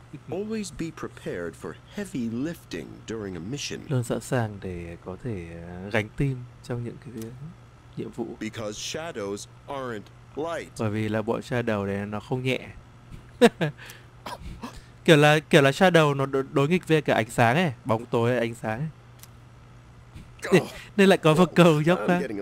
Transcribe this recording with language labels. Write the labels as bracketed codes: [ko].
[en] Always be prepared for heavy lifting during a mission. [vi] Luôn sẵn sàng để có thể gánh team trong những cái nhiệm vụ. [en] Because shadows aren't light. [vi] Bởi vì là bọn shadow này nó không nhẹ. kiểu là shadow nó đối nghịch với cả ánh sáng ấy, bóng tối ấy, ánh sáng ấy. Nên lại có vật cầu dốc ra.